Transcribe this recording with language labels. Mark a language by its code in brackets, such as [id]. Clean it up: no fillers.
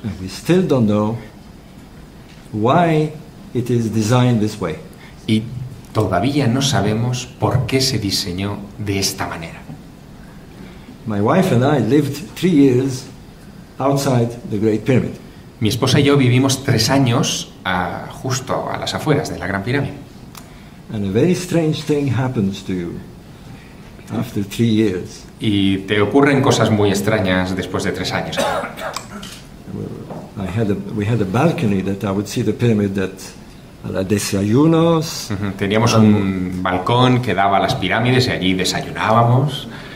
[en] And we still don't know why it is designed this way. [es] Y todavía no sabemos por qué se diseñó de esta manera. [en] My wife and I lived 3 years outside the Great Pyramid. [es] Mi esposa y yo vivimos 3 años justo a las afueras de la Gran Pirámide. [en] And a very strange thing happens to you. After 3 years. [es] Y te ocurren cosas muy extrañas después de 3 años. [en] We had a balcony that I would see the pyramid at the desayunos. [es] Teníamos un balcón que daba a las pirámides y allí desayunábamos.